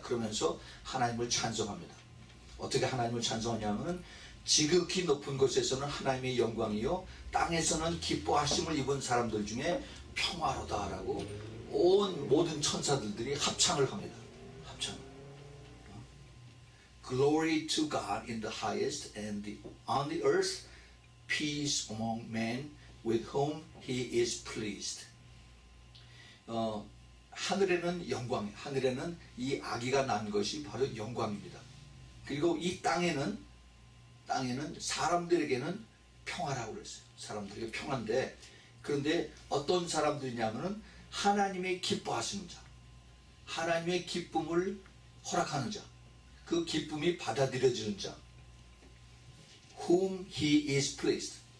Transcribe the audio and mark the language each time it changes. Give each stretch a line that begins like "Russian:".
Korean: 그러면서 하나님을 찬송합니다. 어떻게 하나님을 찬송하냐면 지극히 높은 곳에서는 하나님의 영광이요 땅에서는 기뻐하심을 입은 사람들 중에 평화로다 라고 온 모든 천사들이 합창을 합니다. 합창.
English: Glory to God in the highest and on the earth peace among men with whom he is pleased.
Korean: 하늘에는 영광, 하늘에는 이 아기가 난 것이 바로 영광입니다. 그리고 이 땅에는 사람들에게는 평화라고 그랬어요. 사람들에게 평화인데 그런데 어떤 사람들이냐면은 하나님의 기뻐하시는 자, 하나님의 기쁨을 허락하는 자, 그 기쁨이 받아들여지는 자,
English: whom he is pleased.